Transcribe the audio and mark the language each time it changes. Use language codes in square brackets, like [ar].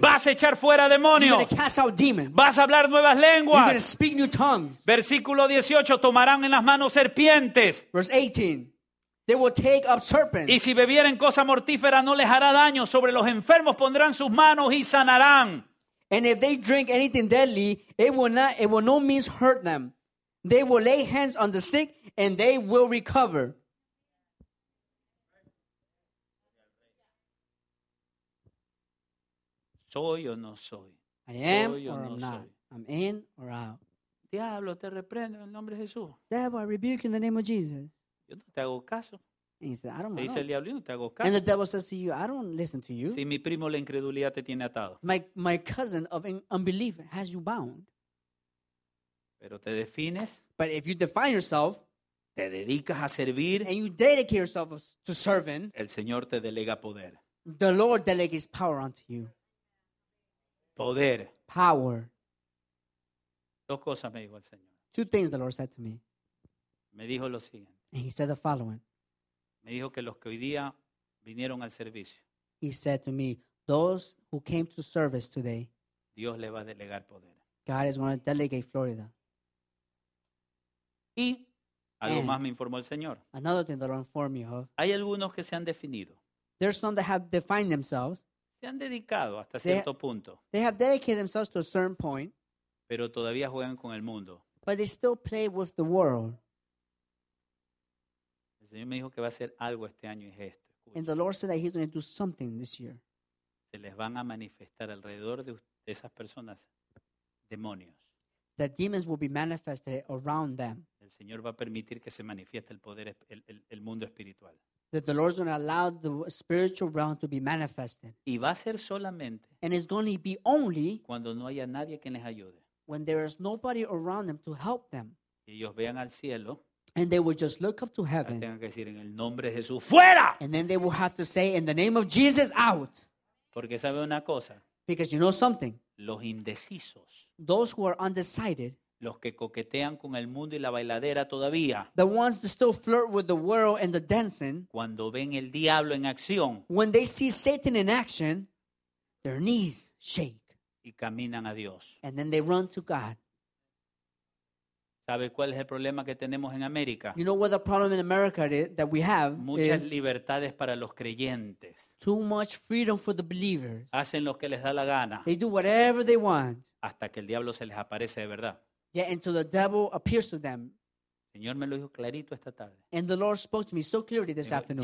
[es] Vas a echar fuera demonios. [en] You're going to cast out demons. [es] Vas a hablar nuevas lenguas. [en] You're going to speak new tongues. [es] Versículo 18, tomarán en las manos serpientes. [en] Verse 18. They will take up serpents. [es] Y si bebieren cosa mortífera no les hará daño. Sobre los enfermos pondrán sus manos y sanarán. [en] And if they drink anything deadly, it will no means hurt them. They will lay hands on the sick and they will recover. [es] Soy o no soy. [en] I am or I'm not. I'm in or out. [es] Diablo, te reprendo en el nombre de Jesús. [en] Devil, I rebuke you in the name of Jesus. [es] Yo no te hago caso. [en] And he said, I don't know. [es] El diablo, no te hago caso. [en] And the devil says to you, I don't listen to you. [es] Si mi primo la incredulidad te tiene atado. [en] My cousin of unbelief has you bound. [es] Pero te defines. [en] But if you define yourself, [es] te dedicas a servir, [en] and you dedicate yourself to serving, [es] el Señor te delega poder. [en] The Lord delegates power unto you. [es] Poder. [en] Power. [es] Dos cosas me dijo el Señor. [en] Two things the Lord said to me. [es] Me dijo lo siguiente. [en] And he said the following. [es] Me dijo que los que hoy día vinieron al servicio, [en] he said to me, those who came to service today, [es] Dios le va a delegar poder. [en] God is going to delegate Florida. [es] Y algo más me informó el Señor. [en] Another thing the Lord informed me of. [es] Hay algunos que se han definido. [en] There's some that have defined themselves. [es] Se han dedicado hasta cierto punto. [en] They have dedicated themselves to a certain point. [es] Pero todavía juegan con el mundo. [en] But they still play with the world. [es] El Señor me dijo que va a hacer algo este año y es esto. [en] And the Lord said that he's going to do something this year. [es] Se les van a manifestar alrededor de esas personas demonios. [en] The demons will be manifested around them. [es] El Señor va a permitir que se manifieste el poder, el mundo espiritual. [en] That the Lord is going to allow the spiritual realm to be manifested. [es] Y va a ser solamente, [en] and it's going to be only, [es] cuando no haya nadie que les ayude, [en] when there is nobody around them to help them. [es] Y ellos vean al cielo, [en] and they will just look up to heaven. [es] Tengan que decir, en el nombre de Jesús, fuera. [en] And then they will have to say, in the name of Jesus, out. [es] Porque sabe una cosa. [en] Because you know something. [es] Los indecisos. [en] Those who are undecided. [es] Los que coquetean con el mundo y la bailadera todavía. [en] The ones that still flirt with the world and the dancing. [es] Cuando ven el diablo en acción. [en] When they see Satan in action, their knees shake. [es] Y caminan a Dios. [en] And then they run to God. [es] ¿Sabe cuál es el problema que tenemos en América? [en] You know what the problem in America is, that we have? [es] Muchas is libertades para los creyentes. [en] Too much freedom for the believers. [es] Hacen lo que les da la gana. [en] They do whatever they want. [es] Hasta que el diablo se les aparece de verdad. [en] Yet until the devil appears to them. [es] Señor me lo dijo clarito esta tarde. [en] And the Lord spoke to me so clearly this afternoon.